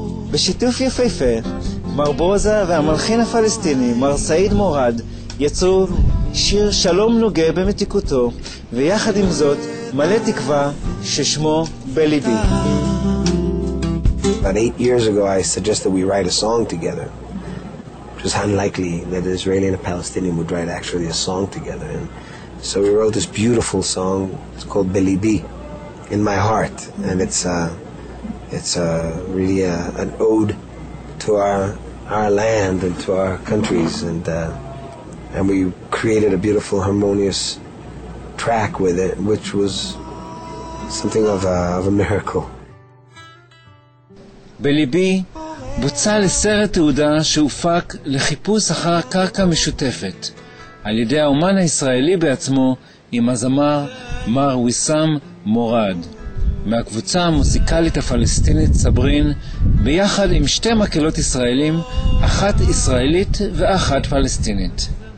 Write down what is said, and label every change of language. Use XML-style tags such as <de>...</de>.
<he>בשיתוף יפהפה, מר ברוזה והמלחין הפלסטיני מר סעיד מורד יצאו שיר שלום נוגע במתיקותו, ויחד עם זאת מלא תקווה ששמו בליבי.</he> <en>About 8 years ago, I suggested we write a song together. It was unlikely that an Israeli and a Palestinian would write actually a song together. And so we wrote this beautiful song. It's called Belibi, In My Heart. And it's really an ode to our land and to our countries. And we created a beautiful, harmonious track with it, which was something of a miracle.</en> <he>בליבי בוצע לסרט תעודה שהופק לחיפוש אחר קרקע משותפת על ידי האומן הישראלי בעצמו עם הזמר מר ויסם מורד מהקבוצה המוזיקלית הפלסטינית סברין ביחד עם שתי מקלות ישראלים, אחת ישראלית ואחת פלסטינית.</he>